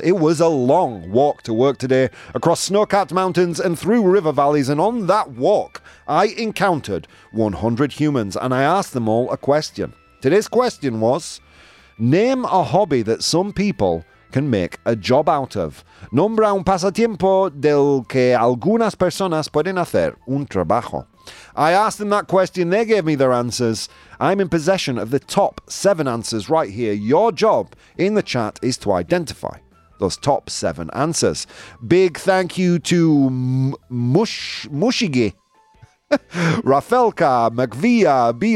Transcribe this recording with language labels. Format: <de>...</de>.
<en>It was a long walk to work today across snow-capped mountains and through river valleys. And on that walk, I encountered 100 humans, and I asked them all a question. Today's question was, name a hobby that some people can make a job out of.</en> <es>Nombra un pasatiempo del que algunas personas pueden hacer un trabajo.</es> <en>I asked them that question. They gave me their answers. I'm in possession of the top 7 answers right here. Your job in the chat is to identify those top 7 answers. Big thank you to Mushigi, Rafelka, McVia, B.</en>